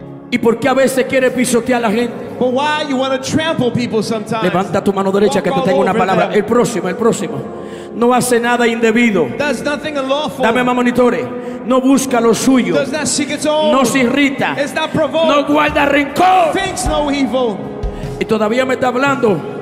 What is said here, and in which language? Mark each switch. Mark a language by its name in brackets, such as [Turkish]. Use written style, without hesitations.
[Spanish] ¿Y por qué a veces quiere pisotear a la gente? [English] But why you want to trample people sometimes? [Spanish] Levanta tu mano derecha que te tengo una palabra. Them. El próximo. No hace nada indebido. [English] Does nothing unlawful. [Spanish] Dame más monitores. No busca lo suyo. [English] Does not seek its own. [Spanish] No se irrita. [English] Is not provoked. [Spanish] No guarda rencor. [English] Thinks no evil. [Spanish] Y todavía me está hablando.